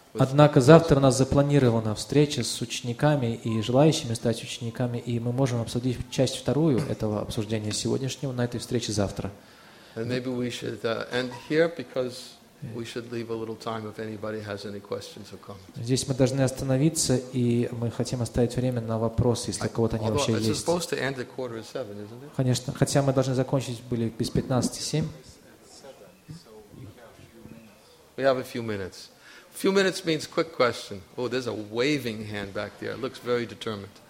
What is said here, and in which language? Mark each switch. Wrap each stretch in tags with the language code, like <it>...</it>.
<ru>Однако завтра у нас запланирована встреча с учениками и желающими стать учениками, и мы можем обсудить часть вторую этого обсуждения сегодняшнего на этой встрече завтра.</ru> <en>And maybe we should end here because we should leave a little time if anybody has any questions or comments.</en> <ru>Здесь мы должны остановиться, и мы хотим оставить время на вопросы, если у кого-то они вообще есть.</ru> <en>It's supposed to end at 7:15, isn't it?</en> <ru>Конечно, хотя мы должны закончить были без</ru> <en>7:15. We have a few minutes. Few minutes means quick question. Oh, there's a waving hand back there. It looks very determined.</en>